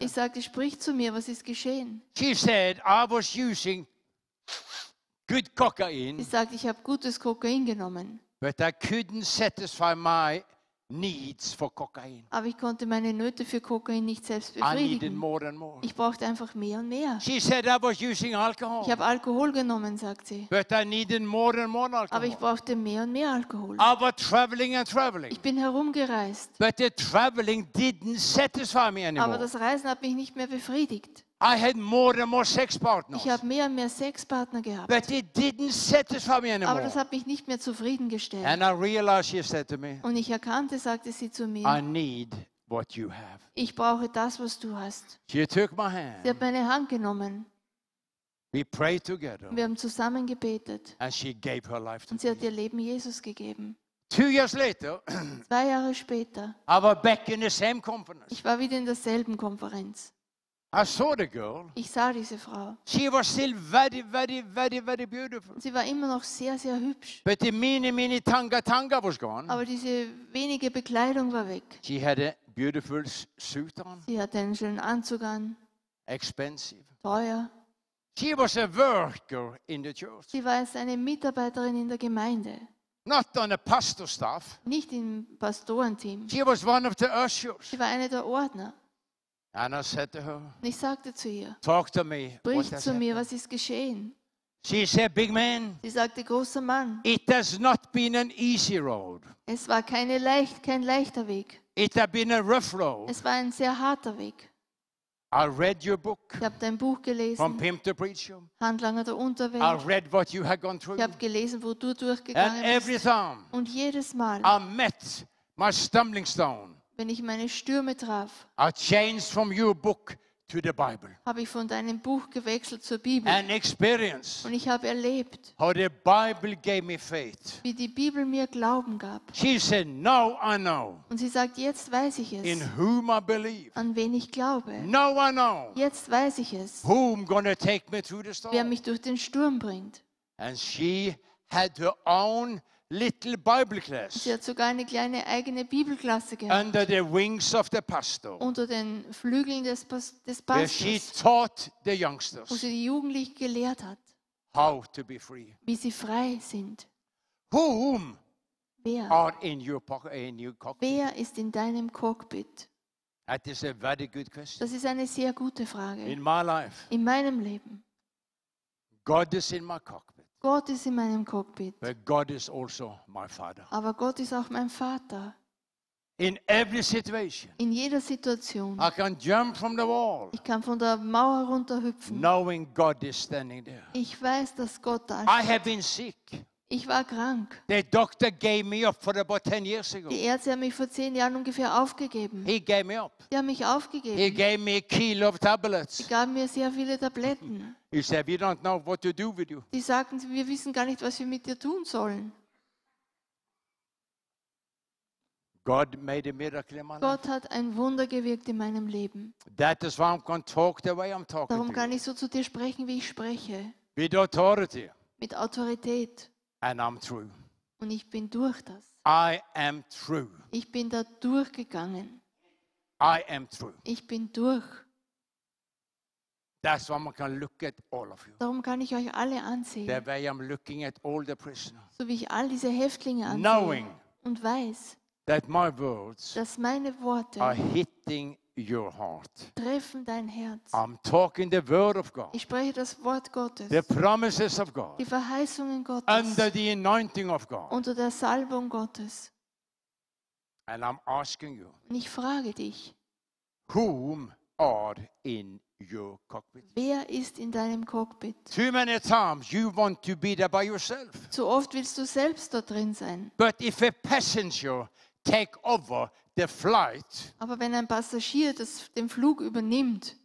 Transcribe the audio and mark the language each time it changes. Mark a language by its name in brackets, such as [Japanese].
[German] Ich sagte, sprich zu mir, was ist geschehen? [English] She said, I was using good cocaine. [German] Sie sagte, ich habe gutes Kokain genommen. [English] But I couldn't satisfy my needs for cocaine. [German] Aber ich konnte meine Nöte für Kokain nicht selbst befriedigen. [English] I needed more and more. [German] Ich brauchte einfach mehr und mehr. [English] She said I was using alcohol. [German] Ich habe Alkohol genommen, sagt sie. [English] But I needed more and more alcohol. [German] Aber ich brauchte mehr und mehr Alkohol. [English] I was traveling and traveling. [German] Ich bin herumgereist. [English] But the traveling didn't satisfy me anymore. [German] Aber das Reisen hat mich nicht mehr befriedigt. [English] I had more and more sex partners. [German] Ich habe mehr und mehr Sexpartner gehabt. [English] But it didn't satisfy me anymore. [German] Aber das hat mich nicht mehr zufriedengestellt. [English] And I realized, she said to me. [German] Und ich erkannte, sagte sie zu mir. [English] I need what you have. [German] Ich brauche das, was du hast. [English] She took my hand. [German] Sie hat meine Hand genommen. [English] We prayed together. [German] Wir haben zusammen gebetet. [English] And she gave her life to [German] Und sie hat ihr Leben Jesus gegeben. [English] 2 years later. [German] 2 Jahre später. [English] I was back in the same conference. [German] Ich war wieder in derselben Konferenz. [English] I saw the girl. [German] Ich sah diese Frau. [English] She was still very, very, very, very beautiful. [German] Sie war immer noch sehr, sehr hübsch. [English] But the mini tanga was gone. [German] Aber diese wenige Bekleidung war weg. [English] She had a beautiful suit on. [German] Sie hatte einen schönen Anzug an. [English] Expensive. [German] Teuer. [English] She was a worker in the church. [German] Sie war eine Mitarbeiterin in der Gemeinde. [English] Not on a pastor staff. [German] Nicht im Pastorenteam. [English] She was one of the ushers. [German] Sie war eine der Ordner. [English] And I said to her, [German] ich sagte zu ihr, [English] talk to me. [German] Sprich zu mir, was ist geschehen? [English] She said, big man. [German] Sie sagte, großer Mann. [English] It has not been an easy road. [German] Es war kein leichter Weg. [English] It has been a rough road. [German] Es war ein sehr harter Weg. [English] I read your book. [German] Ich habe dein Buch gelesen. [English] From Pimp to Preacher. [German] Handlanger der Unterwelt. [English] I read what you had gone through. [German] Ich habe gelesen, wo du durchgegangen [English] and [German] bist. [English] Every time [German] und jedes Mal. [English] I met my stumbling stone. [German] Wenn ich meine Stürme traf, [English] I changed from your book to the Bible. [German] Habe ich von deinem Buch gewechselt zur Bibel. [English] An experience. [German] Und ich habe erlebt, [English] how the Bible gave me faith. [German] Wie die Bibel mir Glauben gab. [English] She said, now I know. [German] Und sie sagt, jetzt weiß ich es. [English] In whom I believe. [German] An wen ich glaube. [English] Now I know. [German] Jetzt weiß ich es. [English] Whom gonna take me through the storm? [German] Wer mich durch den Sturm bringt. [English] And she had her own little Bible class. [German] Sie hat sogar eine kleine eigene Bibelklasse gehabt. [English] Under the wings of the pastor. [German] Unter den Flügeln des Pastors. [English] Where she taught the youngsters. [German] Wo sie die Jugendlichen gelehrt hat. [English] How to be free. [German] Wie sie frei sind. [English] Whom? [German] Wer? [English] Are in your pocket, in your cockpit? [German] Wer ist in deinem Cockpit? [English] That is a very good question. [German] Das ist eine sehr gute Frage. [English] In my life. [German] In meinem Leben. [English] God is in my cockpit. [German] Gott ist in meinem Cockpit. [English] But God is also my father. [German] Aber Gott ist auch mein Vater. [English] In every situation. [German] In jeder Situation. [English] I can jump from the wall. [German] Ich kann von der Mauer runterhüpfen. [English] Knowing God is standing there. [German] Ich weiß, dass Gott da ist. [English] I have been sick. [German] Ich war krank. [English] The doctor gave me up for about 10 years ago. [German] Die Ärzte haben mich vor 10 Jahren ungefähr aufgegeben. [English] He gave me up. [German] Die haben mich aufgegeben. [English] He gave me a kilo of tablets. [German] Die gaben mir sehr viele Tabletten. [English] He said, "We don't know what to do with you." [German] Die sagten, wir wissen gar nicht, was wir mit dir tun sollen. [English] God made a miracle in my life. [German] Gott hat ein Wunder gewirkt in meinem Leben. [English] That is why I'm going to talk the way I'm talking. [German] Darum kann ich so zu dir sprechen, wie ich spreche. [English] With authority. [German] Mit Autorität. [English] And I'm true. [German] Und ich bin durch das. [English] I am true. [German] Ich bin da durchgegangen. [English] I am true. [German] Ich bin durch. [English] That's why I can look at all of you. [German] Darum kann ich euch alle ansehen. [English] The way I'm looking at all the prisoners. [German] So wie ich all diese Häftlinge ansehe. [English] Knowing. [German] Und weiß. [English] That my words. [German] Dass meine Worte. [English] Are hitting your heart. [German] Treffen dein Herz. [English] I'm talking the word of God. [German] Ich spreche das Wort Gottes. [English] The promises of God. [German] Die Verheißungen Gottes. [English] Under the anointing of God. [German] Unter der Salbung Gottes. [English] And I'm asking you. [German] Und ich frage dich. [English] Whom are in your cockpit? [German] Wer ist in deinem Cockpit? [English] Too many times you want to be there by yourself. [German] Zu oft willst du selbst dort drin sein. [English] But if a passenger take over the flight, [German] aber wenn ein Passagier das den Flug übernimmt,